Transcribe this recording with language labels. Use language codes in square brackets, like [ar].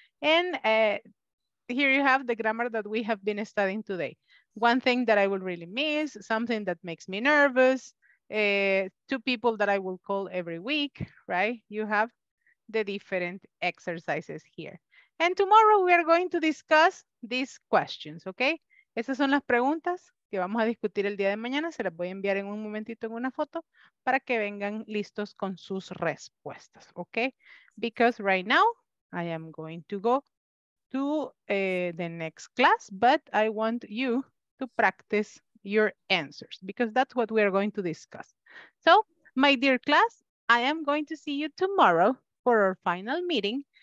[en] And here you have the grammar that we have been studying today. One thing that I will really miss, something that makes me nervous, two people that I will call every week, right? You have the different exercises here. And tomorrow we are going to discuss these questions, okay? [es] Esas son las preguntas que vamos a discutir el día de mañana. Se las voy a enviar en un momentito en una foto para que vengan listos con sus respuestas, okay? [en] Because right now I am going to go to the next class, but I want you to practice your answers because that's what we are going to discuss. So, my dear class, I am going to see you tomorrow for our final meeting.